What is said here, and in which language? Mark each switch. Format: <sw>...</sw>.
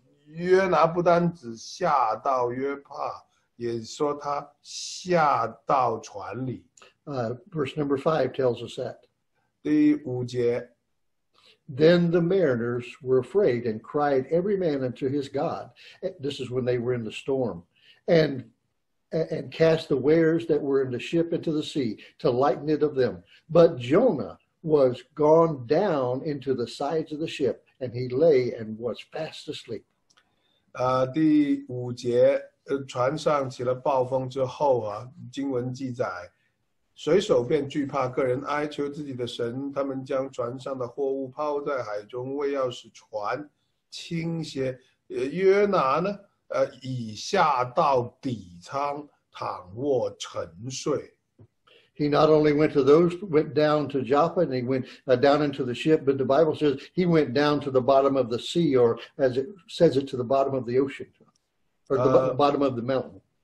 <zh>约拿不单只下到约帕, 也说他下到船里。</zh> <en>Verse number 5 tells us that.</en> <zh>第五节,</zh> <en>Then the mariners were afraid and cried every man unto his God. This is when they were in the storm. And cast the wares that were in the ship into the sea to lighten it of them. But Jonah was gone down into the sides of the ship, and he lay and was fast asleep.</en> <zh>第五节, 船上起了暴风之后啊, 经文记载, 水手便惧怕个人哀求自己的神, 他们将船上的货物抛在海中, 为要使船倾斜, 约拿呢, 已下到底舱, 躺卧沉睡。</zh> <en>He not only went to those, went down to Joppa, and he went down into the ship, but the Bible says he went down to the bottom of the sea, or as it says it, to the bottom of the ocean, or the bottom of the mountain.</en>